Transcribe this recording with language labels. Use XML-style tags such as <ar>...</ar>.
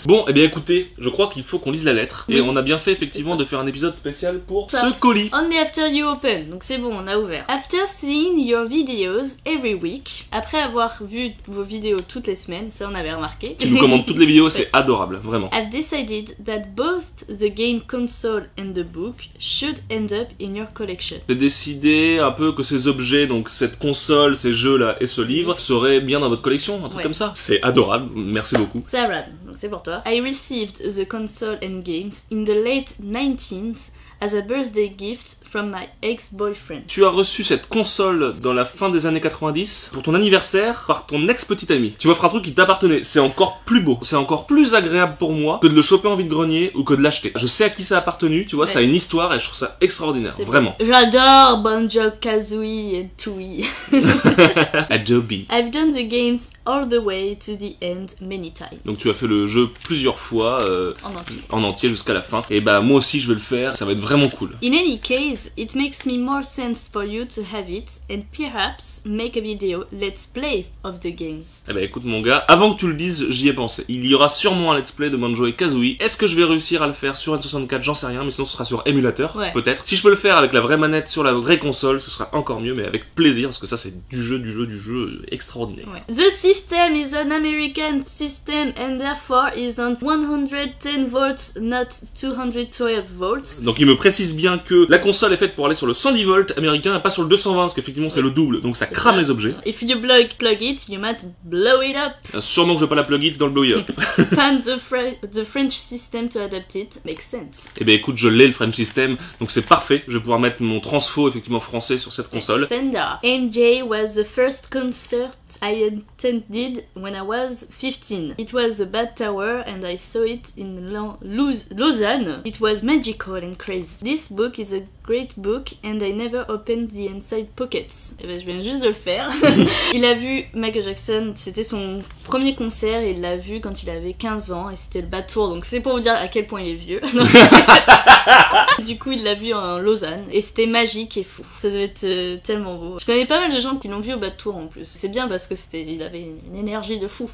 <fr>Bon, et bien, écoutez, je crois qu'il faut qu'on lise la lettre. Et on a bien fait effectivement de faire un épisode spécial pour ce colis.</fr> <en>Only after you open,</en> <fr>donc c'est bon, on a ouvert.</fr> <en>After seeing your videos every week,</en> <fr>après avoir vu vos vidéos toutes les semaines, ça on avait remarqué. Tu nous commandes toutes les vidéos, c'est adorable, vraiment.</fr> <en>I've decided that both the game console and the book should end up in your collection.</en> <fr>J'ai décidé un peu que ces objets, donc cette console, ces jeux là et ce livre, seraient bien dans votre collection, un truc comme ça. C'est adorable, merci beaucoup. Sarah, donc c'est pour toi.</fr> <en>I received the console and games in the late 90s as a birthday gift from my ex-boyfriend.</en> <fr>Tu as reçu cette console dans la fin des années 90 pour ton anniversaire par ton ex-petite amie. Tu m'offres un truc qui t'appartenait. C'est encore plus beau. C'est encore plus agréable pour moi que de le choper en vide-grenier ou que de l'acheter. Je sais à qui ça a appartenu, tu vois, ça a une histoire et je trouve ça extraordinaire. C'est vraiment. J'adore Banjo-Kazooie et Tui. Adobe.</fr> <en>I've done the games all the way to the end many times.</en> <fr>Donc tu as fait le jeu plusieurs fois en entier jusqu'à la fin. Et bah moi aussi je vais le faire. Ça va être vraiment cool.</fr> <en>In any case, it makes me more sense for you to have it and perhaps make a video let's play of the games.</en> <fr>Eh ben écoute mon gars, avant que tu le dises, j'y ai pensé. Il y aura sûrement un let's play de Banjo et Kazooie. Est-ce que je vais réussir à le faire sur N64? J'en sais rien, mais sinon ce sera sur émulateur, peut-être. Si je peux le faire avec la vraie manette sur la vraie console, ce sera encore mieux, mais avec plaisir, parce que ça c'est du jeu extraordinaire. Ouais.</fr> <en>The system is an American system and therefore is on 110 volts, not 212 volts.</en> <fr>Donc il me précise bien que la console est faite pour aller sur le 110 volts américain et pas sur le 220, parce qu'effectivement c'est le double, donc ça crame les objets.</fr> <en>If you plug it, you might blow it up.</en> <fr>Sûrement que je vais pas la</fr> <en>plug it</en> <fr>dans le</fr> <en>blow it up. And the French system to adapt it makes sense.</en> <fr>Eh ben écoute, je l'ai le</fr> <en>French system,</en> <fr>donc c'est parfait. Je vais pouvoir mettre mon transfo effectivement français sur cette console.</fr> <en>Sandar, MJ was the first concert I attended when I was 15. It was the Bad Tower and I saw it in Lausanne. It was magical and crazy. This book is a great book and I never opened the inside pockets.</en> <fr>Et ben, je viens juste de le faire. Il a vu Michael Jackson, c'était son premier concert, et il l'a vu quand il avait 15 ans et c'était le Bad Tour, donc c'est pour vous dire à quel point il est vieux. Du coup il l'a vu en Lausanne et c'était magique et fou. Ça devait être tellement beau. Je connais pas mal de gens qui l'ont vu au Bad Tour en plus. C'est bien parce que c'était, il avait une énergie de fou.</fr>